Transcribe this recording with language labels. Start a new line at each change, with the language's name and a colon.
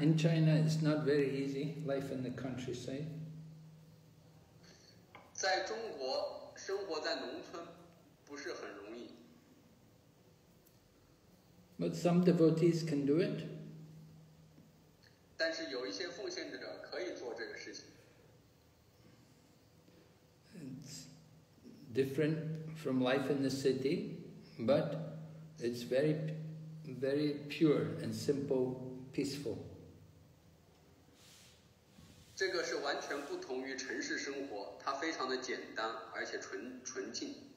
English: In China, it's not very easy, life in the countryside.
Chinese: 在中国生活在农村不是很容易。
English: But some devotees can do it.
Chinese: 但是有一些奉献者可以做这个事情。
English: It's different from life in the city, but it's very, very pure and simple, peaceful.
Chinese: 这个是完全不同于城市生活。它非常的简单，而且纯净。